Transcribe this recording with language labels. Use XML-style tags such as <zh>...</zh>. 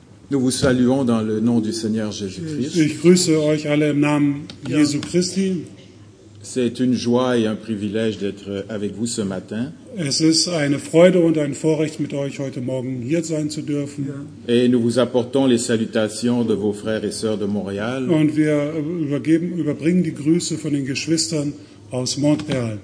<fr>Nous vous saluons dans le nom du Seigneur Jésus-Christ.</fr> <de>Ich grüße euch alle im Namen Jesu Christi.</de> <fr>C'est une joie et un privilège d'être avec vous ce matin.</fr> <de>Es ist eine Freude und ein Vorrecht, mit euch heute Morgen hier sein zu dürfen.</de> <fr>Et nous vous apportons les salutations de vos frères et sœurs de Montréal.</fr> <de>Und wir überbringen die Grüße von den Geschwistern aus Montréal.</de>